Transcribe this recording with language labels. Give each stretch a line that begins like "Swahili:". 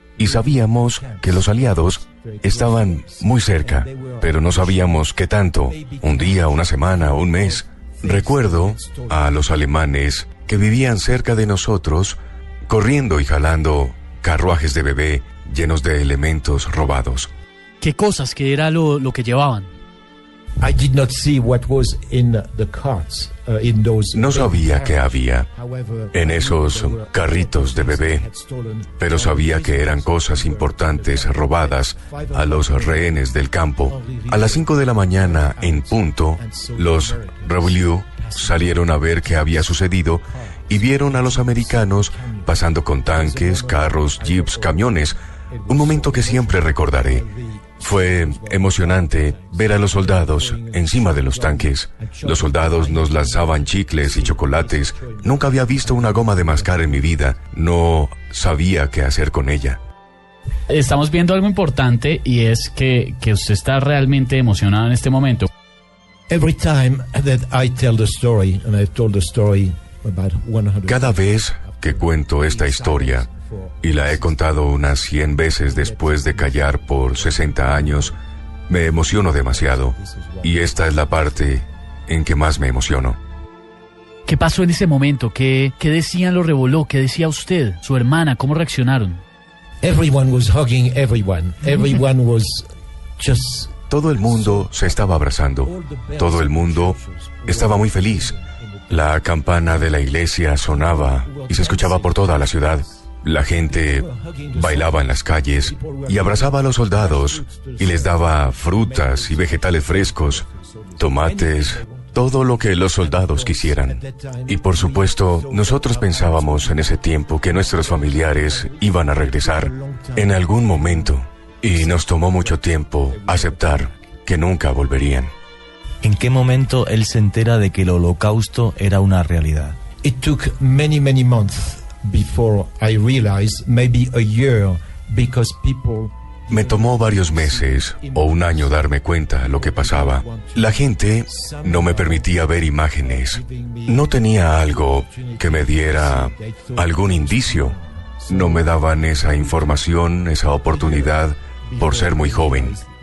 Spanish: Y sabíamos que los aliados estaban muy cerca, pero no sabíamos qué tanto, un día, una semana, un mes. Recuerdo a los alemanes que vivían cerca de nosotros, corriendo y jalando carruajes de bebé llenos de elementos robados. ¿Qué cosas, qué era lo que llevaban?
English: I did not see what was in the carts, in those.
Spanish: No sabía qué había en esos carritos de bebé, pero sabía que eran cosas importantes robadas a los rehenes del campo. A las 5 de la mañana en punto, los BLU salieron a ver qué había sucedido y vieron a los americanos pasando con tanques, carros, jeeps, camiones. Un momento que siempre recordaré. Fue emocionante ver a los soldados encima de los tanques. Los soldados nos lanzaban chicles y chocolates. Nunca había visto una goma de mascar en mi vida. No sabía qué hacer con ella. Estamos viendo algo importante y es que usted está realmente emocionado en este momento.
English: Every time that I tell the story, and I told the story about 100.
Spanish: Cada vez que cuento esta historia, y la he contado unas 100 veces después de callar por 60 años, me emociono demasiado. Y esta es la parte en que más me emociono. ¿Qué pasó en ese momento? ¿Qué decían los revoló? ¿Qué decía usted, su hermana? ¿Cómo reaccionaron?
English: Everyone was hugging everyone. Everyone was
Spanish: Todo el mundo se estaba abrazando. Todo el mundo estaba muy feliz. La campana de la iglesia sonaba y se escuchaba por toda la ciudad. La gente bailaba en las calles y abrazaba a los soldados y les daba frutas y vegetales frescos, tomates, todo lo que los soldados quisieran. Y por supuesto, nosotros pensábamos en ese tiempo que nuestros familiares iban a regresar en algún momento. Y nos tomó mucho tiempo aceptar que nunca volverían. ¿En qué momento él se entera de que el holocausto era una realidad?
English: It took many, many months before I realized, maybe a year, because people...
Spanish: Me tomó varios meses o un año darme cuenta lo que pasaba. La gente no me permitía ver imágenes. No tenía algo que me diera algún indicio. No me daban esa información, esa oportunidad, por ser muy joven.